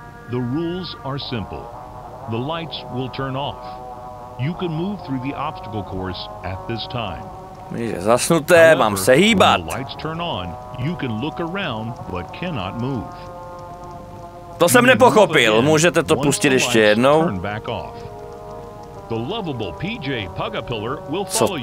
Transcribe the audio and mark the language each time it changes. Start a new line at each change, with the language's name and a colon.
English: The rules are simple. The lights will turn off. You can move through the obstacle course at this time.
Czech: Je zasnuté, mám se hýbat.
English: When the lights turn on, you can look around but cannot move.
Czech: To jsem nepochopil. Můžete to pustit ještě jednou?
English: The lovable PJ Pugapillar will follow you.